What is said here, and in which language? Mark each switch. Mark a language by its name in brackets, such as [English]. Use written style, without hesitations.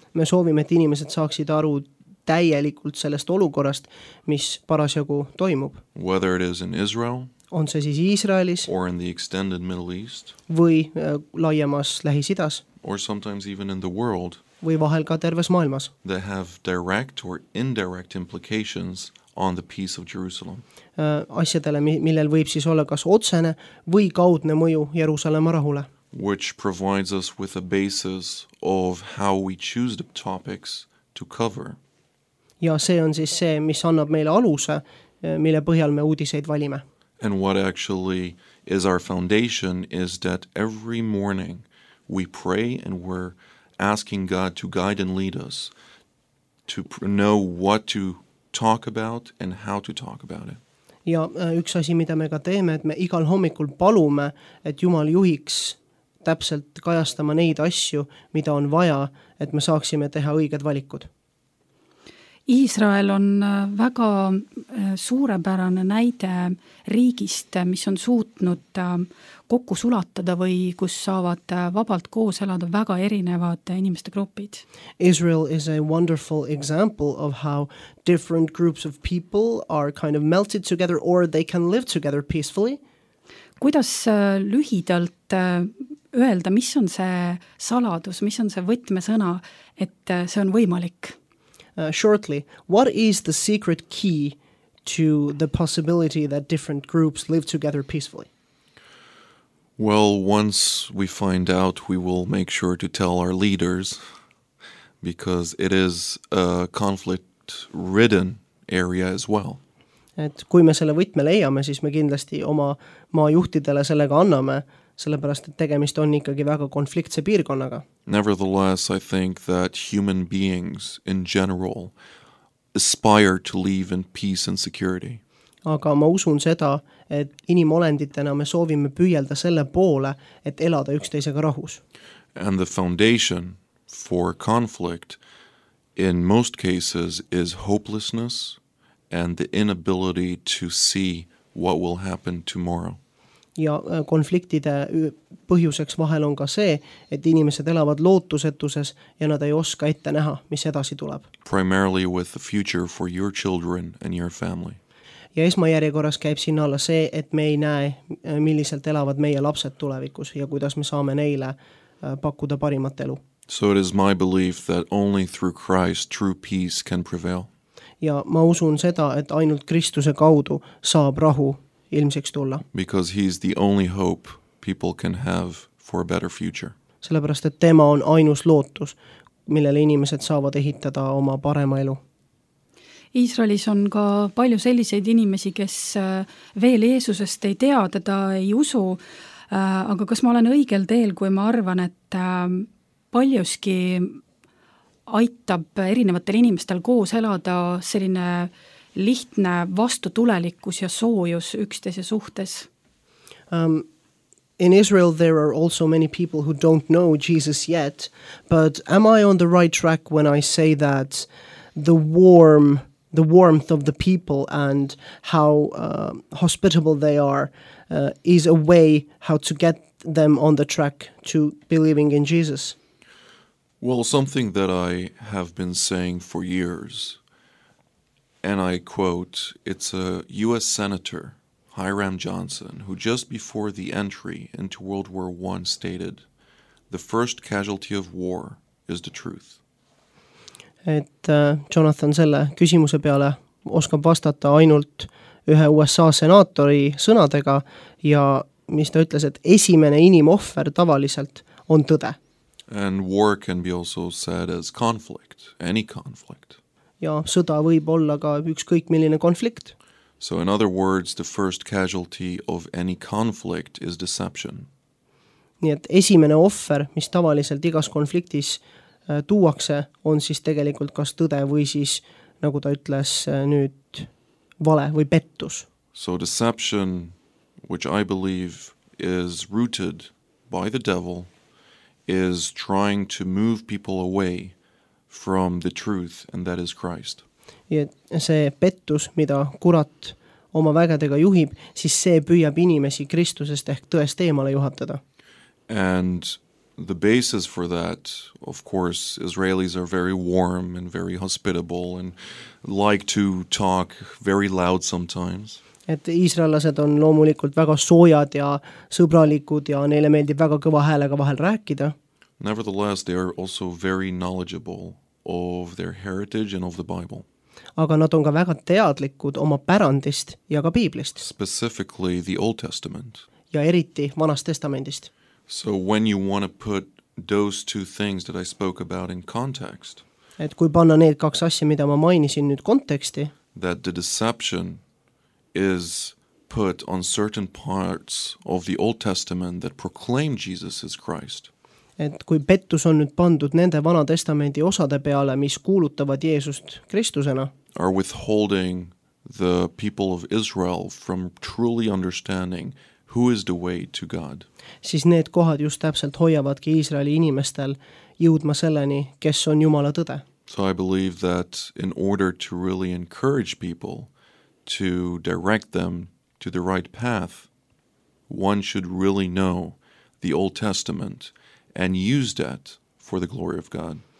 [Estonian] Me soovime, et inimesed saaksid aru täielikult sellest olukorrast, mis parasjagu toimub. [English] Whether it is in Israel, [Estonian] on see siis Iisraelis, [English] or in the extended Middle East, [Estonian] või laiemas Lähis-Idas, [English] or sometimes even in the world, [Estonian] või vahel ka terves maailmas, [English] they have direct or indirect implications on the peace of Jerusalem. [Estonian] Asjadele, millel võib siis olla kas otsene või kaudne mõju Jerusalema rahule. [English] Which provides us with a basis of how we choose the topics to cover. [Estonian] Ja see on siis see, mis annab meile aluse, mille põhjal me uudiseid valime. [English] And what actually is our foundation is that every morning we pray and we're asking God to guide and lead us to know what to talk about and how to talk about it. [Estonian] Ja üks asi, mida me ka teeme, et me igal hommikul palume, et Jumal juhiks täpselt kajastama neid asju, mida on vaja, et me saaksime teha õiged valikud. Iisrael on väga suurepärane näide riigist, mis on suutnud kokku sulatada või kus saavad vabalt koos elada väga erinevad inimeste gruppid. [English] Israel is a wonderful example of how different groups of people are kind of melted together or they can live together peacefully. [Estonian] Kuidas lühidalt öelda, mis on see saladus, mis on see võtmesõna, et see on võimalik? [English] Shortly, what is the secret key to the possibility that different groups live together peacefully? Well, once we find out, we will make sure to tell our leaders, because it is a conflict-ridden area as well. [Estonian] Et kui me selle võtme leiame, siis me kindlasti oma maa juhtidele sellega anname, sellepärast, et tegemist on ikkagi väga konfliktse piirkonnaga. [English] Nevertheless, I think that human beings in general aspire to live in peace and security. [Estonian] Aga ma usun seda, et inimolenditena me soovime püüelda selle poole, et elada üksteisega rahus. [English] And the foundation for conflict in most cases is hopelessness and the inability to see what will happen tomorrow. [Estonian] Ja konfliktide põhjuseks vahel on ka see, et inimesed elavad lootusetuses ja nad ei oska ette näha, mis edasi tuleb. [English] Primarily with the future for your children and your family. [Estonian] Ja esmajärjekorras käib siin alla see, et me ei näe, milliselt elavad meie lapsed tulevikus ja kuidas me saame neile pakkuda parimat elu. [English] So it is my belief that only through Christ true peace can prevail. [Estonian] Ja ma usun seda, et ainult Kristuse kaudu saab rahu ilmseks tulla. [English] Because he is the only hope people can have for a better future. [Estonian] Sellepärast, et tema on ainus lootus, millele inimesed saavad ehitada oma parema elu. Iisraelis on ka palju selliseid inimesi, kes veel Jeesusest ei tea, teda ei usu, aga kas ma olen õigel teel, kui ma arvan, et paljuski aitab erinevatel inimestel koos elada selline lihtne vastutulelikkus ja soojus üksteise suhtes. [English] In Israel there are also many people who don't know Jesus yet, but am I on the right track when I say that the warmth of the people and how hospitable they are is a way how to get them on the track to believing in Jesus? Well, something that I have been saying for years, and I quote, it's a U.S. Senator, Hiram Johnson, who just before the entry into World War I stated, the first casualty of war is the truth. [Estonian] Et Jonathan selle küsimuse peale oskab vastata ainult ühe USA senaatori sõnadega ja mis ta ütles, et esimene inimohver tavaliselt on tõde. [English] And war can be also said as conflict, any conflict. [Estonian] Ja sõda võib olla ka ükskõik milline konflikt. [English] So in other words, the first casualty of any conflict is deception. [Estonian] Nii et esimene ohver, mis tavaliselt igas konfliktis tuuakse, on siis tegelikult kas tõde või siis, nagu ta ütles nüüd, vale või pettus. [English] So deception, which I believe is rooted by the devil, is trying to move people away from the truth, and that is Christ. [Estonian] Ja see pettus, mida kurat oma vägedega juhib, siis see püüab inimesi Kristusest ehk tõest eemale juhatada. [English] And the basis for that, of course, Israelis are very warm and very hospitable and like to talk very loud sometimes. [Estonian] Et iisraelased on loomulikult väga soojad ja sõbralikud ja neile meeldib väga kõva häälega vahel rääkida. [English] Nevertheless, they are also very knowledgeable of their heritage and of the Bible. [Estonian] Aga nad on ka väga teadlikud oma pärandist ja ka piiblist. [English] Specifically the Old Testament. [Estonian] Ja eriti Vanast Testamentist. [English] So when you want to put those two things that I spoke about in context. [Estonian] Et kui panna need kaks asja, mida ma mainisin nüüd konteksti. [English] That the deception is put on certain parts of the Old Testament that proclaim Jesus as Christ. [Estonian] Et kui pettus on nüüd pandud nende Vana Testamendi osade peale, mis kuulutavad Jeesust Kristusena, [English] are withholding the people of Israel from truly understanding who is the way to God. [Estonian] Siis need kohad just täpselt hoiavadki Iisraeli inimestel jõudma selleni, kes on Jumala tõde. [English] So I believe that in order to really encourage people to direct them to the right path, one should really know the Old Testament and use that for the glory of God.